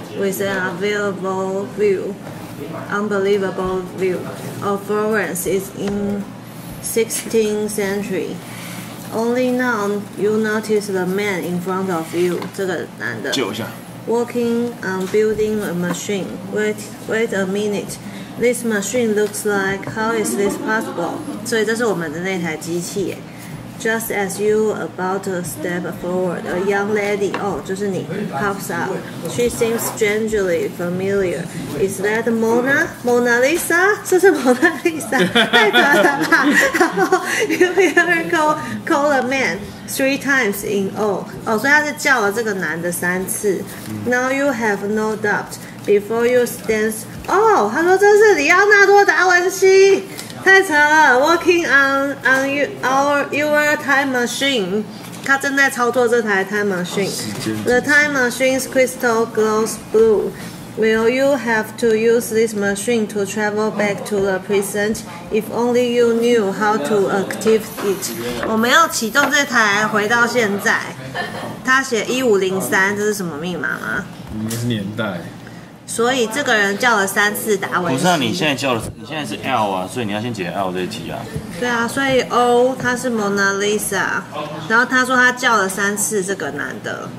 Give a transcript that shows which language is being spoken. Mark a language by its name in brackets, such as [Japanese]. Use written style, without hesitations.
[English] With an available view, unbelievable view of Florence is in 16th century. Only now you notice the man in front of you, [Chinese] 这个男的 [English] walking on building a machine. Wait a minute, this machine looks like, how is this possible? [Chinese] 所以这是我们的那台机器耶。 [English] Just as you about to step forward, a young lady, [Chinese] 哦，就是你 [English] ，pops up. She seems strangely familiar. Is that Mona? Mona Lisa? [Chinese] 这是 Mona Lisa? 太可爱了。 [English] You hear call a man three times in all. [Chinese] 哦，所以他是叫了这个男的三次。 [English] Now you have no doubt. Before you stand, [Chinese] 哦，他说这是里奥纳多·达文西。太扯了 [English] ，Working on your time machine， [Chinese] 他正在操作这台 [English] time machine。 The time machine's crystal glows blue. Will you have to use this machine to travel back to the present? If only you knew how to activate it. [Chinese] 我们要启动这台回到现在。他写1503，这是什么密码吗？应该是年代。所以这个人叫了三次达文西。不是啊，你现在叫了，你现在是 L 啊，所以你要先解 L 这题啊。对啊，所以 O 他是 Mona Lisa， 然后他说他叫了三次这个男的。